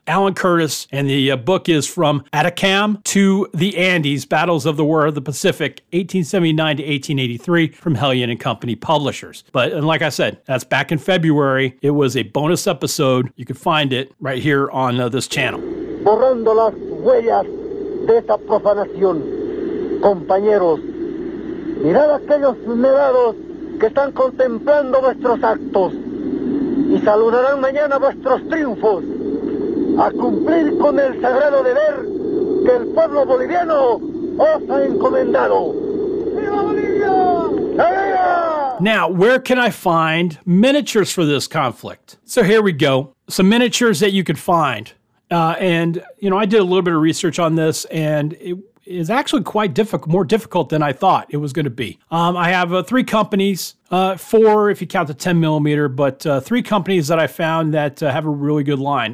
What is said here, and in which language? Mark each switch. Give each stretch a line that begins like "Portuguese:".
English: Alan Curtis, and the book is From Atacama to the Andes, Battles of the War of the Pacific, 1879 to 1883, from Hellion and Company Publishers. But, and like I said, that's back in February. It was a bonus episode. You can find it right here on this channel.
Spanish: Borrando las huellas de esta profanación, compañeros, mirad aquellos nevados que están contemplando vuestros actos y saludarán mañana vuestros triunfos, a cumplir con el sagrado deber que el pueblo boliviano os ha encomendado. ¡Viva Bolivia! ¡Arriba!
English: Now, where can I find miniatures for this conflict? So here we go. Some miniatures that you could find. And, you know, I did a little bit of research on this, and it is actually quite difficult, more difficult than I thought it was going to be. I have three companies, four if you count the 10 millimeter, but three companies that I found that have a really good line.